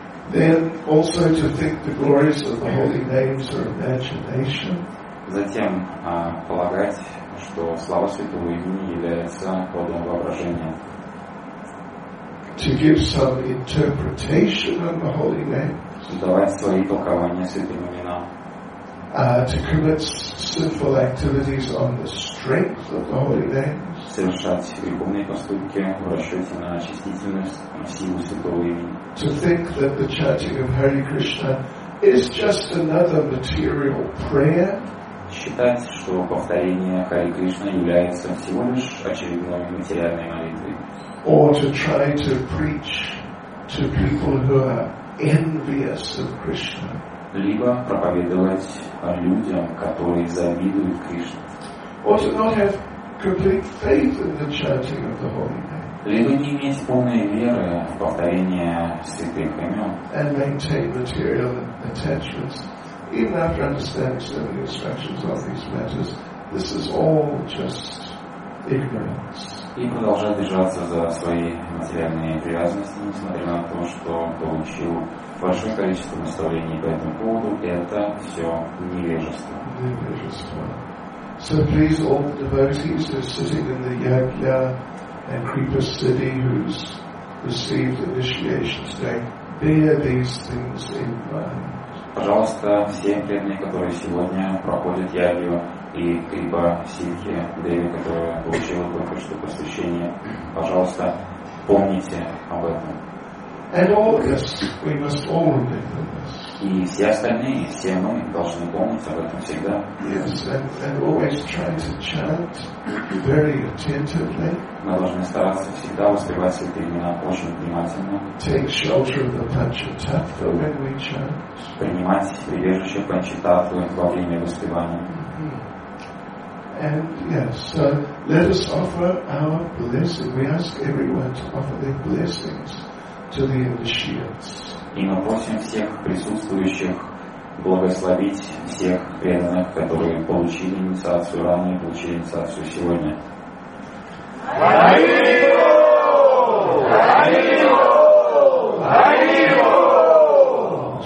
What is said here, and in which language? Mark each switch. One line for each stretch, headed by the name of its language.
English: Then also to think the glories of the holy names are imagination.
Russian: Затем полагать, что слава святого имени является плодом воображения.
English: To give some interpretation of the holy names.
Russian: Давать свои толкования святым именам.
English: To commit sinful activities on the strength of the holy names.
Russian: Совершать греховные поступки в расчете на очистительность и силу святого имени.
English: To think that the chanting of Hare Krishna is just another material prayer.
Russian: Считать, что повторение Хари Кришна является всего лишь очередной материальной молитвой.
English: Or to try to preach to people who are envious of Krishna.
Russian: Либо проповедовать людям, которые завидуют Кришне.
English: Or to not have complete faith in the chanting of the holy name.
Russian: Либо не иметь полной веры в повторение святых имен.
English: And maintain material attachments. Even after understanding so many instructions on these matters, this is all just ignorance.
Russian: И продолжать держаться за свои материальные привязанности, несмотря на то, что получил большое количество наставлений по этому поводу, это все невежество. Невежество.
English: So please, all the devotees who are sitting in the Yagya and Kripa city who's received initiation today, bear these things in mind.
Russian: Пожалуйста, все преданные, которые сегодня проходят Ягью и Крипа Ситхи Деви, которая получила только что посвящение, пожалуйста, помните об этом.
English: And all of us, we must all remember this.
Russian: И все остальные, все мы должны помнить об этом всегда.
English: Yes, and always try to chant very attentively.
Russian: Мы должны стараться всегда воспевать святые имена очень внимательно.
English: Take shelter of the Panchatattva when we chant.
Russian: Принимать прибежище Панчататвы во время воспевания.
English: And yes, so let us offer our blessing. We ask everyone to offer their blessings to the initiates.
Russian: И мы просим всех присутствующих благословить всех преданных, которые получили инициацию ранее, получили инициацию сегодня. Хари-бо! Хари-бо! Хари-бо!